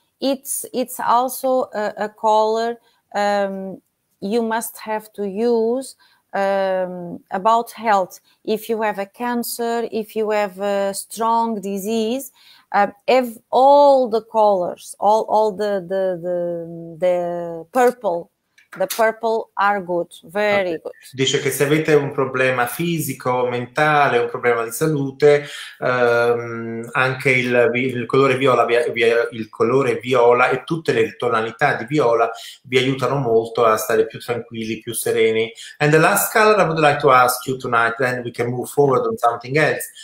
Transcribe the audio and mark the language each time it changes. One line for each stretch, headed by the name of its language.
English: It's also a color you must have to use about health. If you have a cancer, if you have a strong disease, all the purple are good, very okay. Good.
Italian: Dice che se avete un problema fisico, mentale, un problema di salute, anche il colore viola e tutte le tonalità di viola vi aiutano molto a stare più tranquilli, più sereni.
English: And the last color I would like to ask you tonight, then we can move forward on something else.